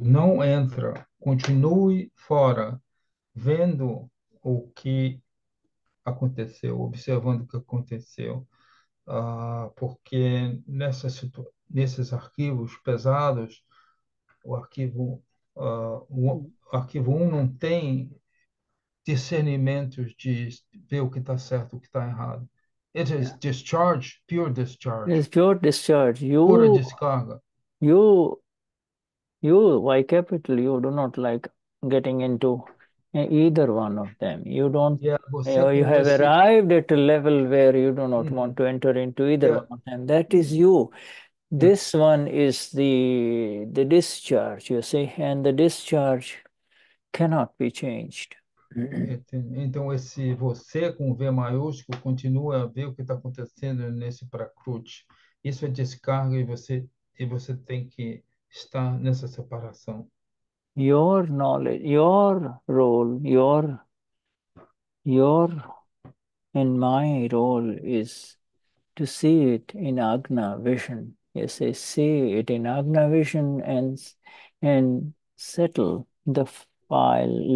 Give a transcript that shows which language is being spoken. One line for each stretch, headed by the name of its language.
Portuguese: Não entra, continue fora, vendo o que aconteceu, observando o que aconteceu, porque nesses arquivos pesados, o arquivo 1 não tem discernimentos de ver o que está certo, o que está errado.
English: It is discharge, pure discharge. It's pure discharge. You,
Portuguese: Pura descarga.
English: you, you, Y capital, you do not like getting into either one of them. You don't, you have arrived at a level where you do not want to enter into either one of them. That is you. This one is the discharge, you see, and the discharge cannot be changed.
Portuguese: Então, esse você com V maiúsculo continua a ver o que está acontecendo nesse prakruti. Isso é descarga e você tem que estar nessa separação.
English: Your knowledge, your role, your and my role is to see it in Agna vision. You say, see it in Agna vision and settle the file.